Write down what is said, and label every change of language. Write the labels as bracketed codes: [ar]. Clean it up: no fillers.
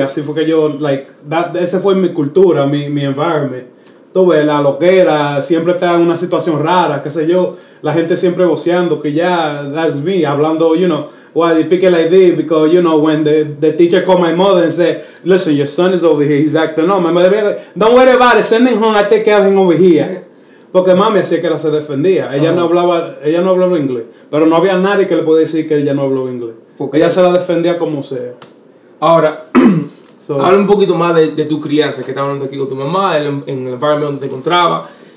[es] Así fue que yo, like, ese fue mi cultura, mi environment. Tuve la loquera, siempre está en una situación rara, qué sé yo. La gente siempre voceando, que ya, [en] that's me, [es] hablando, you know. [en] Well, they pick it like this because, you know, when the teacher called my mother and said, listen, your son is over here, he's acting up. My mother be like, don't worry about it, send him home, I take care of him over here. [es] Porque mami así que la se defendía. Ella no hablaba inglés. Pero no había nadie que le podía decir que ella no hablaba inglés. Porque ella se la defendía como sea. Ahora, habla un poquito más de tu crianza, que estaba hablando aquí con tu mamá, en el environment donde te encontraba.